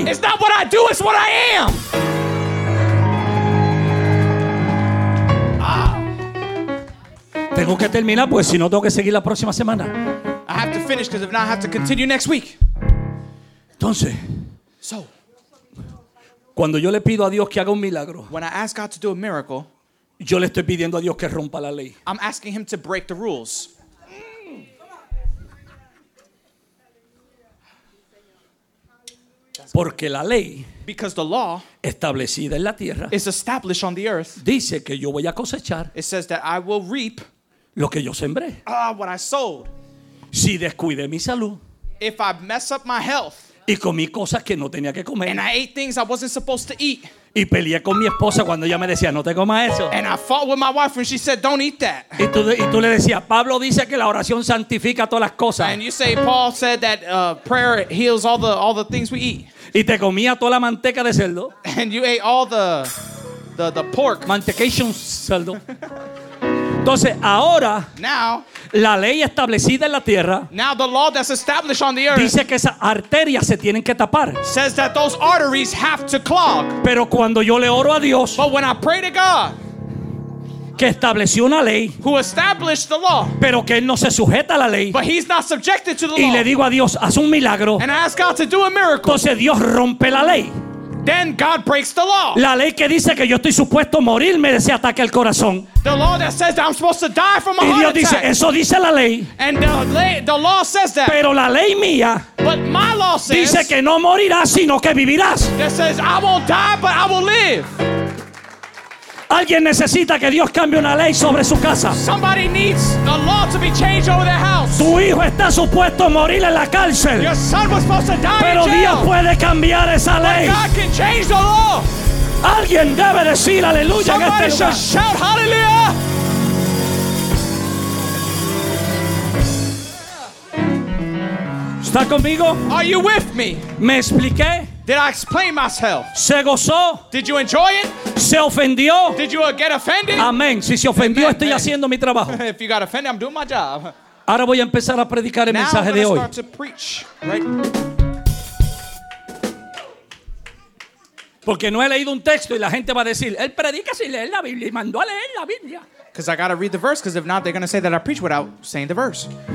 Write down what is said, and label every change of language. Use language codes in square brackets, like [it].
[en] It's not what I do, it's what I am. [es] Tengo que terminar, pues si no tengo que seguir la próxima semana. [en] I have to finish because if not I have to continue next week. [es] Entonces, [en] so, [es] cuando yo le pido a Dios que haga un milagro, [en] when I ask God to do a miracle, [es] yo le estoy pidiendo a Dios que rompa la ley. [en] I'm asking him to break the rules. [es] Porque la ley, [en] because the law, [es] establecida en la tierra, [en] is established on the earth, [es] dice que yo voy a cosechar. [en] It says that I will reap. [es] Lo que yo sembré. [en] What I sowed. [es] Si descuidé mi salud. [en] If I mess up my health. [es] Y comí cosas que no tenía que comer. [en] And I ate things I wasn't supposed to eat. [es] Y peleé con mi esposa cuando ella me decía, no te comas eso. [en] And I fought with my wife when she said, don't eat that. [es] Y tú le decías, Pablo dice que la oración santifica todas las cosas. [en] And you say, Paul said that prayer heals all the things we eat. [es] Y te comía toda la manteca de cerdo. [en] And you ate all the... the pork. [es] Mantequilla, un cerdo. Entonces, ahora, [en] now, [es] la ley establecida en la tierra, [en] now the law that's established on the earth, [es] dice que esas arterias se tienen que tapar. [en] Says that those arteries have to clog. [es] Pero cuando yo le oro a Dios, [en] but when I pray to God, [es] que estableció una ley, [en] who established the law, [es] pero que él no se sujeta a la ley, [en] but he's not subjected to the [es] y [en] law, [es] le digo a Dios, haz un milagro, [en] and I ask God to do a miracle, [es] entonces Dios rompe la ley. [en] Then God breaks the law. [es] La ley que dice que yo estoy supuesto a morir me dice ataque al corazón. [en] The law that says that I'm supposed to die from a heart attack. [es] Y Dios dice, eso dice la ley. [en] And the law says that. [es] Pero la ley mía, [en] but my law says, [es] dice que no morirás sino que vivirás. [en] That says I won't die but I will live. [es] Alguien necesita que Dios cambie una ley sobre su casa. [en] Somebody needs the law to be changed over their house. [es] Tu hijo está supuesto a morir en la cárcel. [en] Your son was supposed to die in jail. [es] Pero Dios puede cambiar esa ley. [en] But God can change the law. [es] Alguien debe decir aleluya. [en] Somebody [es] en este lugar. [en] Should shout hallelujah. [es] ¿Está conmigo? [en] Are you with me? [es] ¿Me expliqué? [en] Did I explain myself? [es] ¿Se gozó? [en] Did you enjoy it? [es] ¿Se ofendió? [en] Did you get offended? [es] Amén. Si se ofendió, amen, estoy amen. Haciendo mi trabajo. [en] If you got offended, I'm doing my job. [es] Ahora voy a empezar a predicar el [en] now [es] mensaje [en] I'm gonna [es] de [en] start [es] hoy. [en] To preach, right? [es] Porque no he leído un texto y la gente va a decir, él predica sin leer la Biblia y mandó a leer la Biblia. [en] Because I got to read the verse, because if not, they're going to say that I preach without saying the verse.